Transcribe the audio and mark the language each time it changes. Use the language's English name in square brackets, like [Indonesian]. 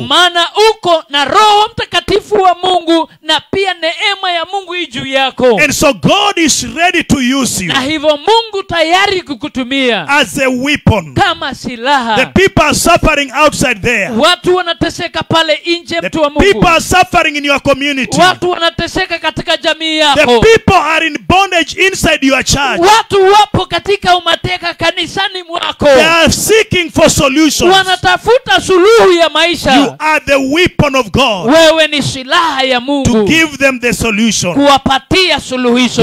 [Swahili] Maana uko na Roho Mtakatifu wa Mungu na pia neema ya Mungu juu yako. [English] And so God is ready to use you. [Swahili] Na hivyo Mungu tayari kukutumia. [English] As a weapon. [Swahili] Kama silaha. [English] The people are suffering outside there. [Swahili] Watu wanateseka pale nje mtu wa Mungu. [English] The people are suffering in your community. [Swahili] Watu wanateseka katika jamii yako. [English] The people are in bondage inside your church. [Swahili] Watu wapo katika umateka kanisa. [English] They are seeking for solutions. [Swahili] Wanatafuta suluhu ya maisha. [English] You are the weapon of God. [Swahili] Wewe ni silaha ya Mungu. [English] To give them the solution. [Swahili] Kuwapatia suluhisho.